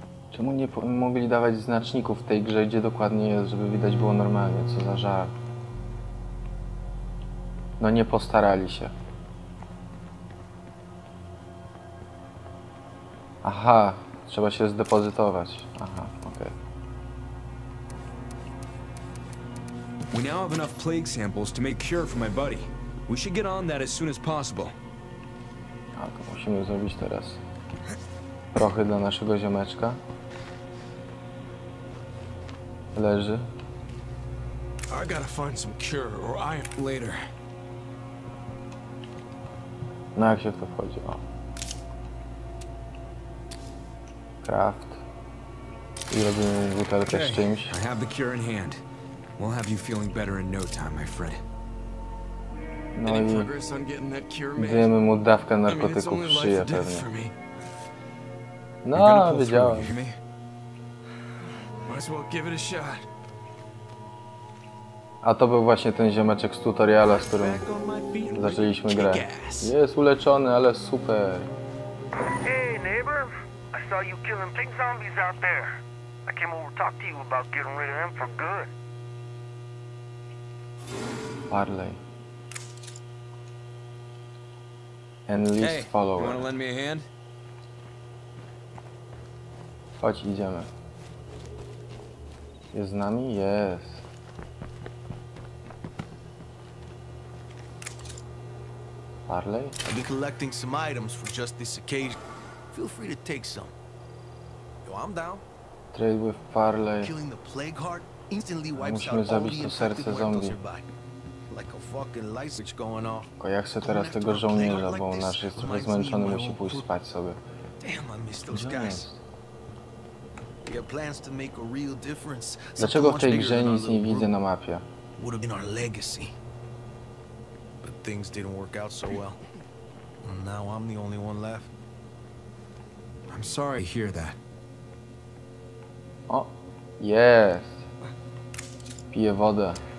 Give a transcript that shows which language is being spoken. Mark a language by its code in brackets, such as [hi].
[pl] Czemu nie mogli dawać znaczników w tej grze, gdzie dokładnie jest, żeby widać było normalnie? Co za żart? No nie postarali się. Aha, trzeba się zdepozytować. Aha, okej. Okay. [en] We now have enough plague samples to make cure for my buddy. We should get on that as soon as possible. [pl] Tak, musimy zrobić teraz trochę dla naszego ziomeczka. Leży. [en] I gotta find some cure or I am later. [pl] No jak się w to wchodzi? O. [en] Craft. [pl] I robimy butelkę z czymś. [en] I have the cure in hand. We'll have you feeling better in no time, my friend. [pl] No i dajemy mu dawkę narkotyków w szyję pewnie. No, wiedziałem. [en] Might as well give it a shot. [pl] A to był właśnie ten ziomeczek z tutoriala, z którym zaczęliśmy grę. Jest uleczony, ale super. [en] Hey, neighbor. I saw you killing plague zombies out there. I came over to talk to you about getting rid of him for good. Parley. Enlist follower. Hey, you wanna lend me a hand? Chodź, idziemy. Jest z nami? Jest. Parley? I've been collecting some items for just this occasion. Feel free to take some. Yo, I'm down. Trade with Parley. Killing the plague heart instantly wipes out all the infected zombie. Like a fucking light switch going off. [pl] Tylko jak chcę teraz tego żołnierza, bo nasz jest trochę zmęczony, musi pójść spać sobie. [en] Damn, I miss those guys. Your plans to make a real difference. [pl] Dlaczego w tej grze nic nie widzę na mapie? [en] Would have been our legacy. But things didn't work out so well. Now I'm the only one left. I'm sorry to hear that. [pl] O, jest. Piję wodę.